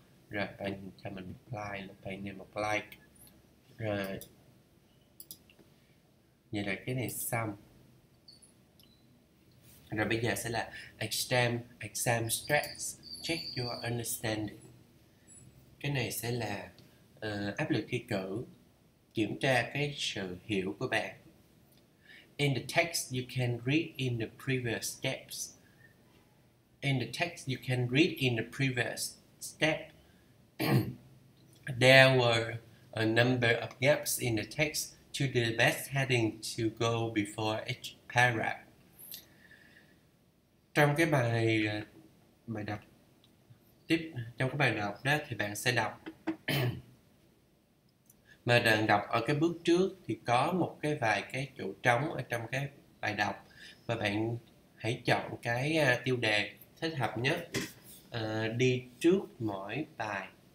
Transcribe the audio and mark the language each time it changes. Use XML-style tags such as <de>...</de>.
<vi>Rồi bạn cho mình apply, bạn nên apply. Rồi như là cái này xong rồi, bây giờ sẽ là</vi> <en>exam stress check your understanding.</en> <vi>Cái này sẽ là áp lực thi cử, kiểm tra cái sự hiểu của bạn.</vi> <en>In the text, you can read in the previous steps. In the text, you can read in the previous step. There were a number of gaps in the text to the best heading to go before each paragraph.</en> <vi>Trong cái bài đọc tiếp, trong cái bài đọc đó thì bạn sẽ đọc. Mà đoạn đọc ở cái bước trước thì có một cái vài cái chỗ trống ở trong cái bài đọc, và bạn hãy chọn cái tiêu đề thích hợp nhất đi trước mỗi bài.</vi>